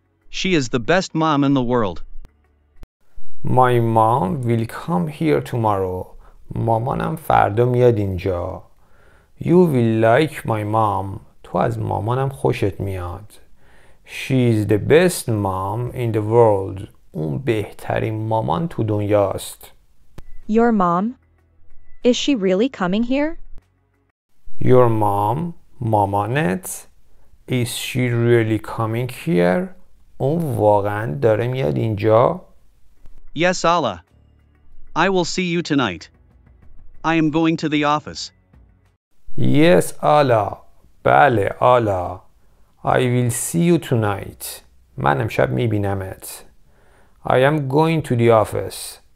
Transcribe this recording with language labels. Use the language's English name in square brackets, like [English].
[English] She is the best mom in the world. My mom will come here tomorrow. [Persian] مامانم فردا میاد اینجا. [English] You will like my mom. [Persian] تو از مامانم خوشت میاد. [English] She is the best mom in the world. [Persian] اون بهترین مامان تو دنیاست. [English] Your mom? Is she really coming here? Your mom, مامانت, is she really coming here? [Persian] اون واقعا داره میاد اینجا؟ [English] Yes, Allah. I will see you tonight. I am going to the office. Yes, Allah. Bale, Allah. I will see you tonight. [Persian] من امشب میبینمت. [English] I am going to the office.